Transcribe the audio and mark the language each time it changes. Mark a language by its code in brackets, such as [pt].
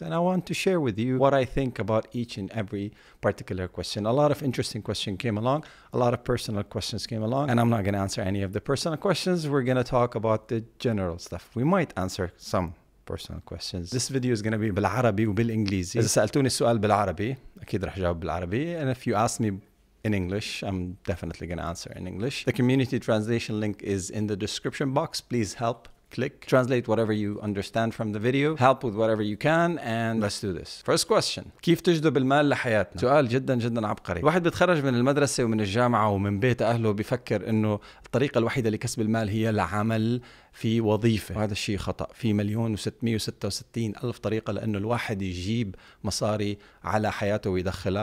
[en] And I want to share with you what I think about each and every particular question. A lot of interesting questions came along. A lot of personal questions came along. And I'm not going to answer any of the personal questions. We're going to talk about the general stuff. We might answer some personal questions. This video is going to be [ar] بالعربي وبالإنجليزي. إذا سألتوني السؤال بالعربي, أكيد رح جاوب بالعربي. [en] And if you ask me in English, I'm definitely going to answer in English. The community translation link is in the description box. Please help, click, translate whatever you understand from the video. Help with whatever you can, and let's do this. First question. [ar] كيف تجذب المال لحياتنا؟ سؤال جدا جدا عبقري. واحد بتخرج من المدرسة ومن الجامعة ومن بيت أهله بيفكر إنه الطريقة الوحيدة لكسب المال هي العمل في وظيفة. وهذا الشيء خطأ. في 1,666,000 طريقة لأنه الواحد يجيب مصاري على حياته ويدخلها.